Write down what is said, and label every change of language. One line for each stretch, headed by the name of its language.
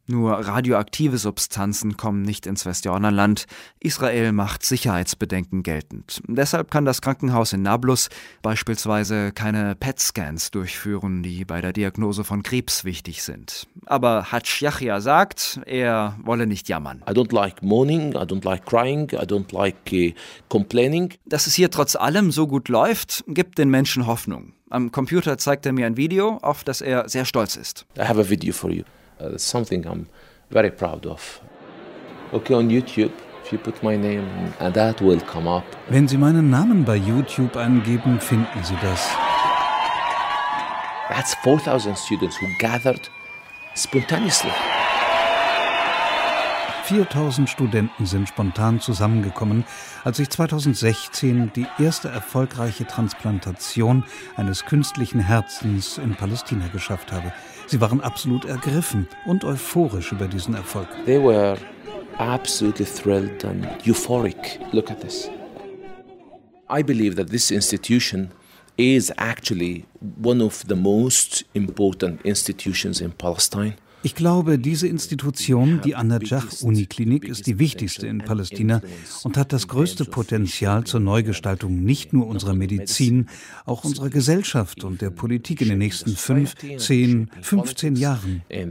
German: Nur radioaktive Substanzen kommen nicht ins Westjordanland. Israel macht Sicherheitsbedenken geltend. Deshalb kann das Krankenhaus in Nablus beispielsweise keine PET-Scans durchführen, die bei der Diagnose von Krebs wichtig sind. Aber Hadj Yahya sagt, er wolle nicht jammern.
English: I don't like moaning, I don't like crying, I don't like complaining.
German: Dass es hier trotz allem so gut läuft, gibt den Menschen Hoffnung. Am Computer zeigt er mir ein Video, auf das er sehr stolz ist.
English: I have a video for you. Something I'm very proud of. Okay, on YouTube, if you put my name, and that will come up.
German: Wenn Sie meinen Namen bei YouTube angeben, finden Sie das.
English: That's 4,000 students who gathered spontaneously.
German: 4,000 Studenten sind spontan zusammengekommen, als ich 2016 die erste erfolgreiche Transplantation eines künstlichen Herzens in Palästina geschafft habe. Sie waren absolut ergriffen und euphorisch über diesen Erfolg.
English: They were absolutely thrilled and euphoric. Look at this. I believe that this institution is actually one of the most important institutions in Palestine.
German: Ich glaube, diese Institution, die An-Najah-Uniklinik, ist die wichtigste in Palästina und hat das größte Potenzial zur Neugestaltung nicht nur unserer Medizin, auch unserer Gesellschaft und der Politik in den nächsten 15 Jahren.